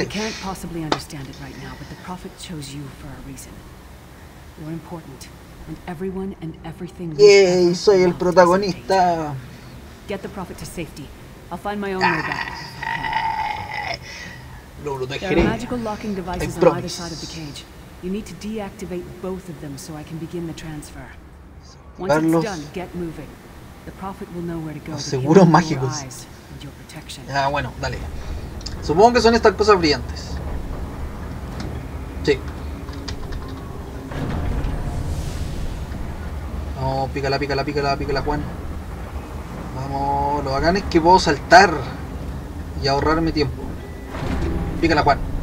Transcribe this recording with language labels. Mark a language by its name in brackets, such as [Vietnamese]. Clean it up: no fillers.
[English] I can't possibly understand it right now, but the prophet chose you for a reason. You're important, and everyone and everything. [Spanish] Yay, soy el protagonista. [English] Get the prophet to safety. I'll find my own way back. There are magical locking devices on either side of the cage. You need to deactivate both of them so I can begin the transfer. Once it's done, get moving. The prophet will know where to go. [Spanish] Seguros mágicos. Ah, bueno, dale. Supongo que son estas cosas brillantes. Sí. No, pícala, pícala, pícala, pícala, Juan. Vamos, lo bacán es que puedo saltar y ahorrarme tiempo. Pícala, Juan.